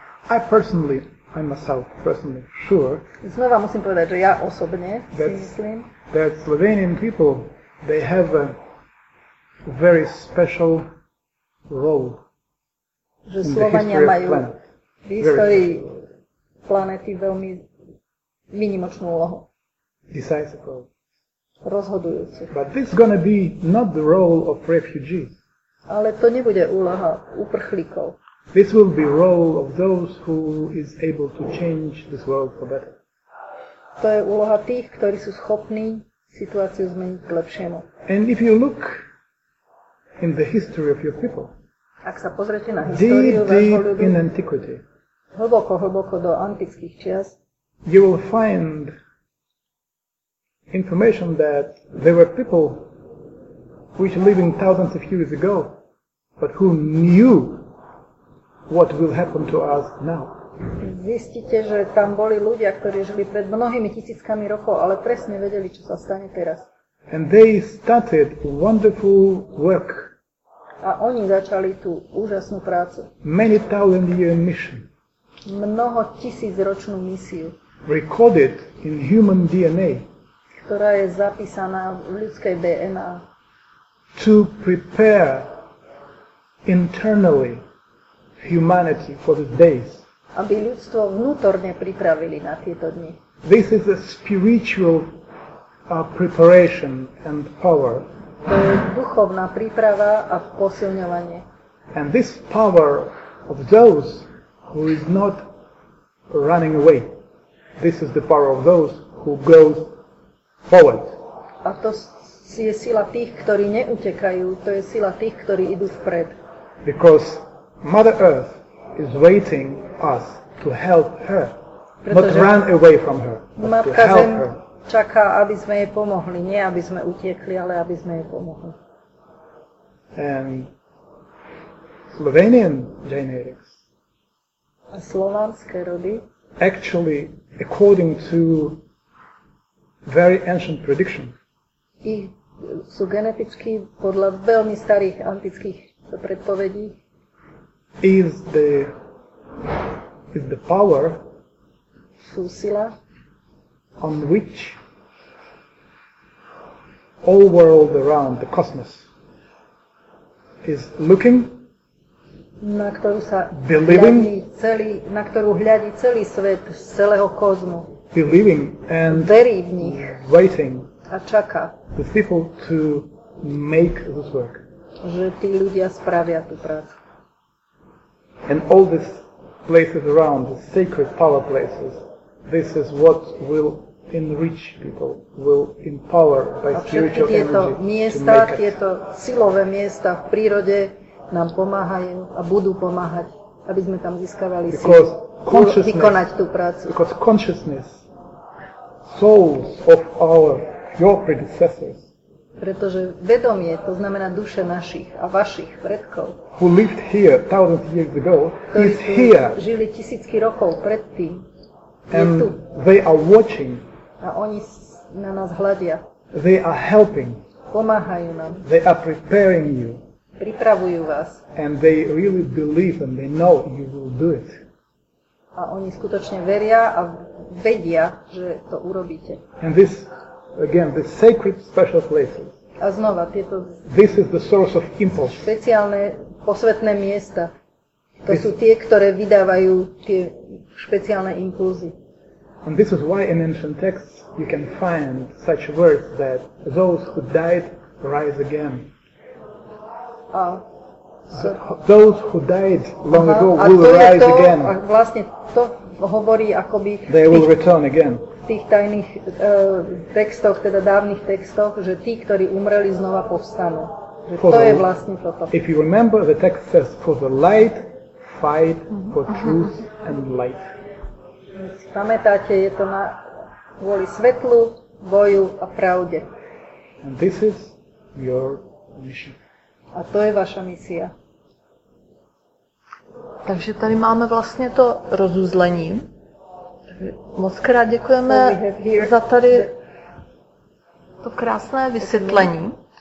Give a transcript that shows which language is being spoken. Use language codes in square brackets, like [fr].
[en] I personally, I myself personally, sure. [cs] Znova musím povedat, že já osobně si myslím. [en] That Slovenian people, they have a very special role. [sk] Že Slovania majú v historii planety veľmi výnimočnú úlohu. [en] Decisive role. [sk] Rozhodujúcu. [en] But this is going to be not the role of refugees. [sk] Ale to nebude úloha uprchlíkov. [en] This will be role of those who is able to change this world for better. [sk] To je úloha tých, ktorí sú schopní situáciu zmeniť k lepšiemu. [en] And if you look in the history of your people, [sk] ak sa pozrete na históriu [en] deep [sk] vášho ľudu, [en] in antiquity, [sk] hlboko, hlboko do antických čias, [en] you will find information that there were people which living thousands of years ago, but who knew what will happen to us now. [sk] Zistíte, že tam boli ľudia, ktorí žili pred mnohými tisíckami rokov, ale presne vedeli, čo sa stane teraz. [en] And they started wonderful work. [sk] A oni začali tú úžasnú prácu. [en] Many thousand year mission. [sk] Mnoho tisícročnú misiu. [en] Recorded in human DNA. [sk] Ktorá je zapísaná v ľudskej DNA. [en] To prepare internally humanity for these days. [sk] Aby ľudstvo vnútorne pripravili na tieto dni. [en] This is a spiritual preparation and power. [sk] To je duchovná príprava a posilňovanie. [en] And this power of those who is not running away. This is the power of those who goes forward. [sk] A to je sila tých, ktorí neutekajú, to je sila tých, ktorí idú vpred. [en] Because Mother Earth is waiting us to help her. Not run away from her, but to help her. [sk] Čaká, aby sme jej pomohli, nie aby sme utiekli, ale aby sme jej pomohli. [en] And Slovenian genetics. [sk] A slovanské rody. [en] Actually, according to very ancient prediction. [sk] Ich sú geneticky podľa veľmi starých antických predpovedí. [en] Is the power Fusila on which all world around the cosmos is looking, [sk] na ktorú sa [en] believing, [sk] na ktorú hľadí celý svet z celého kozmu, [en] believing and [sk] verí v nich, [en] waiting [sk] a čaká [en] the people to make this work, [sk] že tí ľudia spravia tú prácu. [en] And all these places around, the sacred power places, this is what will enrich people, will empower by spiritual energy [sk] to miesta, [en] to make it. [sk] Tieto silové miesta v prírode nám pomáhajú a budú pomáhať, aby sme tam získavali sílu vykonať tú prácu. [en] Because consciousness, souls of your predecessors, [sk] pretože vedomie, to znamená duše našich a vašich predkov, [en] who lived here thousands of years ago, is here. [sk] Žili tisícky rokov predtým, [en] and [sk] je tu. [en] They are watching. [sk] A oni na nás hľadia. [en] They are helping. [sk] Pomáhajú nám. [en] They are preparing you. [sk] Pripravujú vás. [en] And they really believe and they know you will do it. [sk] A oni skutočne veria a vedia, že to urobíte. [en] And this, again, the sacred special places. [sk] A znova, tieto... [en] This is the source of impulse. [sk] Špeciálne posvetné miesta. To sú tie, ktoré vydávajú tie špeciálne impulzy. [en] And this is why in ancient texts you can find such words that those who died rise again. Those who died long ago will rise again. [sk] A vlastne to hovorí akoby... [en] They will return again. [sk] V tých tajných textoch, teda dávnych textoch, že tí, ktorí umreli, znova povstanú. Že [en] for [sk] to je vlastne toto. [en] If you remember, the text says, for the light, fight for truth and life. [sk] pamätáte, je to na kvôli svetlu, boju a pravde. [en] And this is your mission. [sk] A to je vaša misia. [cs] Takže tady máme vlastně to rozuzlení. Mockrát děkujeme za tady to krásné vysvětlení.